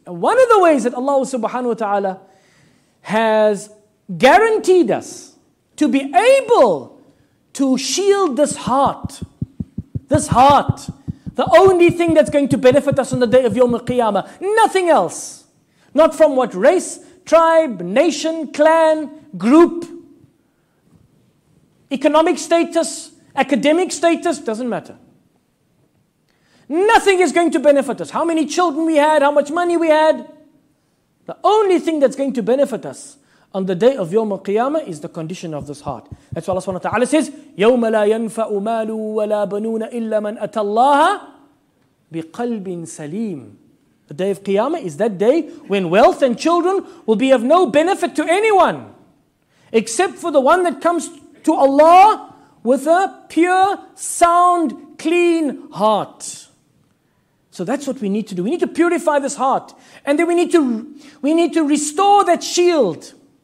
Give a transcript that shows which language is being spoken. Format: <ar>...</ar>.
<en>And one of the ways that Allah subhanahu wa ta'ala has guaranteed us to be able to shield this heart, the only thing that's going to benefit us on the day of Yawm al-Qiyamah, nothing else, not from what race, tribe, nation, clan, group, economic status, academic status, doesn't matter. Nothing is going to benefit us. How many children we had, how much money we had, the only thing that's going to benefit us on the day of Yawm al-Qiyamah is the condition of this heart. That's why Allah subhanahu wa ta'ala says,</en> <ar>يَوْمَ لَا يَنْفَأُ مَالُ وَلَا بَنُونَ إِلَّا مَنْ أَتَى اللَّهَ بِقَلْبٍ سَلِيمٍ.</ar> <en>The day of Qiyamah is that day when wealth and children will be of no benefit to anyone except for the one that comes to Allah with a pure, sound, clean heart. So that's what we need to do. We need to purify this heart. And then we need to restore that shield.</en>